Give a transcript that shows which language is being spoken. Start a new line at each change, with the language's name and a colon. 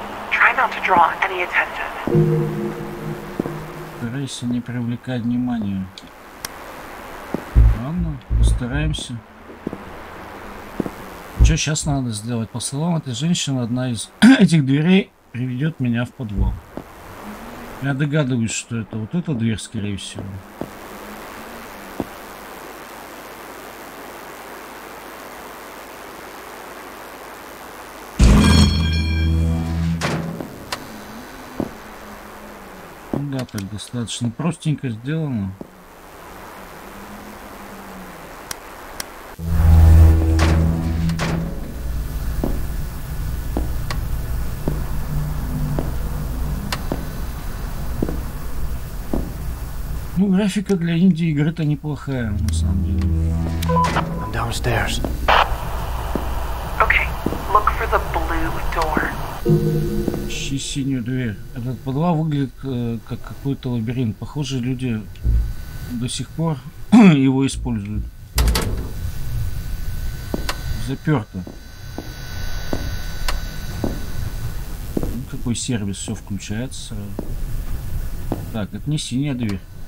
English: Try not to draw any attention.
Russian: Старайся не привлекать внимание. Ладно, постараемся. Что сейчас надо сделать? По словам этой женщины, одна из этих дверей приведет меня в подвал. Я догадываюсь, что это вот эта дверь, скорее всего. Да, так достаточно простенько сделано. Ну, графика для инди игры-то неплохая, на самом деле.
English: I'm downstairs. Okay, look for the blue door.
Russian: Ищи синюю дверь. Этот подвал выглядит как какой-то лабиринт. Похоже, люди до сих пор его используют. Заперто. Ну, какой сервис, все включается сразу. Так, это не синяя дверь.